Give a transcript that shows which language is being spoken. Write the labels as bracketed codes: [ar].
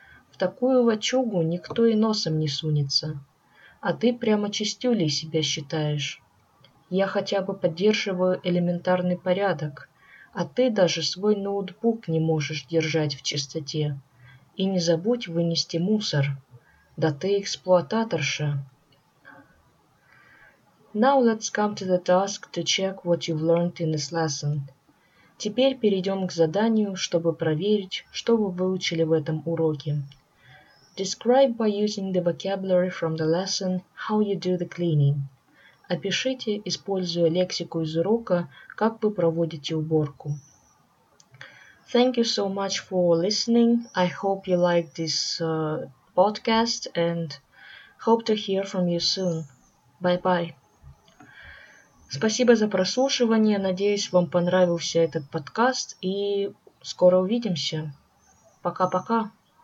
[ru] В такую лачугу никто и носом не сунется. А ты прямо чистюлей себя считаешь. Я хотя бы поддерживаю элементарный порядок, а ты даже свой ноутбук не можешь держать в чистоте. И не забудь вынести мусор. Да ты эксплуататорша! [en] Now let's come to the task to check what you've learned in this lesson. [ru] Теперь перейдем к заданию, чтобы проверить, что вы выучили в этом уроке. [en] Describe by using the vocabulary from the lesson how you do the cleaning. [ru] Опишите, используя лексику из урока, как вы проводите уборку. [en] Thank you so much for listening. I hope you like this podcast and hope to hear from you soon. Bye-bye. [ru] Спасибо за прослушивание. Надеюсь, вам понравился этот подкаст. И скоро увидимся. Пока-пока.